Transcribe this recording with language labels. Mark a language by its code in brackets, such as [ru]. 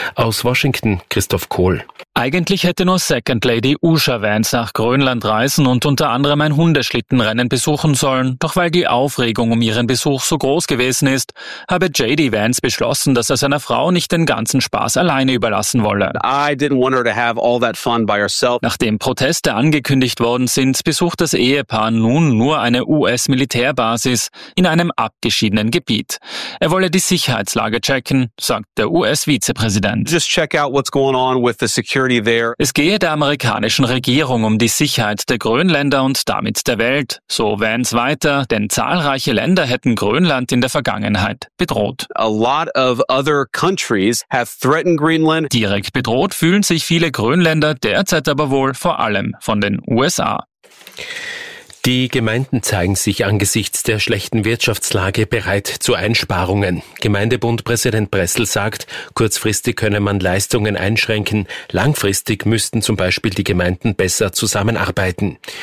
[de] Aus Washington, Christoph Kohl. Eigentlich hätte nur Second Lady Usha Vance nach Grönland reisen und unter anderem ein Hundeschlittenrennen besuchen sollen, doch weil die Aufregung um ihren Besuch so groß gewesen ist, habe J.D. Vance beschlossen, dass er seiner Frau nicht den ganzen Spaß alleine überlassen wolle. [en] I didn't want her to have all that fun by herself. [de] Nachdem Proteste angekündigt worden sind, besucht das Ehepaar nun nur eine US-Militärbasis in einem abgeschiedenen Gebiet. Er wolle die Sicherheitslage checken, sagt der US-Vizepräsident. [en] Just check out what's going on with the security. [de] Es gehe der amerikanischen Regierung um die Sicherheit der Grönländer und damit der Welt, so Vance weiter, denn zahlreiche Länder hätten Grönland in der Vergangenheit bedroht. [en] A lot of other countries have threatened Greenland. [de] Direkt bedroht fühlen sich viele Grönländer derzeit aber wohl vor allem von den USA. Die Gemeinden zeigen sich angesichts der schlechten Wirtschaftslage bereit zu Einsparungen. Gemeindebundpräsident Bressel sagt, kurzfristig könne man Leistungen einschränken, langfristig müssten zum Beispiel die Gemeinden besser zusammenarbeiten.